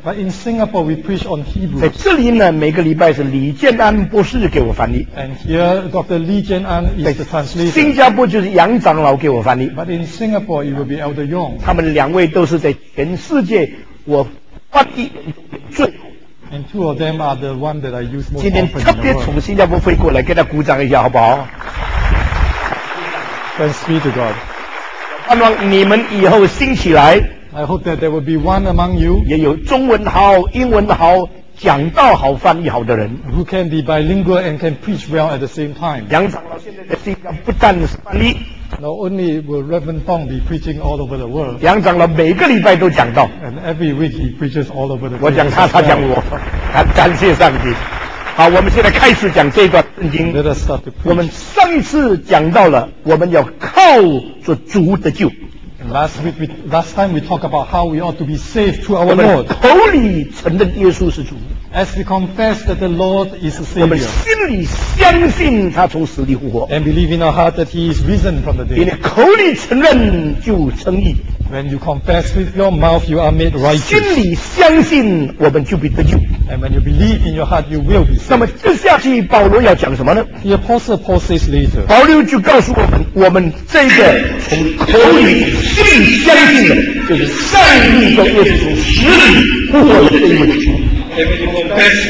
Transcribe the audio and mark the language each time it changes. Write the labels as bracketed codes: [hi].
[en] But in Singapore we preach on Hebrews。 [zh] 在这里呢，每个礼拜是李建安博士给我翻译。 [en] And here Dr. Lee Jian An is the translator。 [zh] 新加坡就是杨长老给我翻译。 [en] But in Singapore it will be Elder Yong。 [zh] 他们两位都是在全世界我翻译最。 [en] And two of them are the one that I use most often in the world。 [zh] 今天特别从新加坡飞过来，给他鼓掌一下，好不好？ [en] Thanks be to God。 [zh] 盼望你们以后兴起来。 [en] I hope that there will be one among you。 [zh] 也有中文好、英文好、讲道好、翻译好的人。 [en] Who can be bilingual and can preach well at the same time。 [zh] 杨长老现在在新加坡不但是翻译。 [en] Not only will Reverend Tong be preaching all over the world。 [zh] 杨长老每个礼拜都讲道。 [en] And every week he preaches all over the world。 [zh] 我讲他，他讲我。感谢上帝。好，我们现在开始讲这段圣经。 [en] Let us start to preach。 [zh] 我们上一次讲到了我们要靠着主得救。 [en] Last time we talked about how we ought to be saved through our Lord。 [zh] 我们口里承认耶稣是主。 [en] As we confess that the Lord is the Savior。 [zh] 我们心里相信他从死里复活。 [en] And believe in our heart that he is risen from the dead。 [zh] 因为口里承认就称义。 [en] When you confess with your mouth, you are made righteous。 [zh] 心里相信我们就必得救。 [en] And when you believe in your heart, you will be saved。 [zh] 那么接下去保罗要讲什么呢？ [en] The Apostle Paul says later。 [zh] 保罗就告诉我们，我们这个从口里信相信的，就是善意的耶稣从死里复活的这一位主。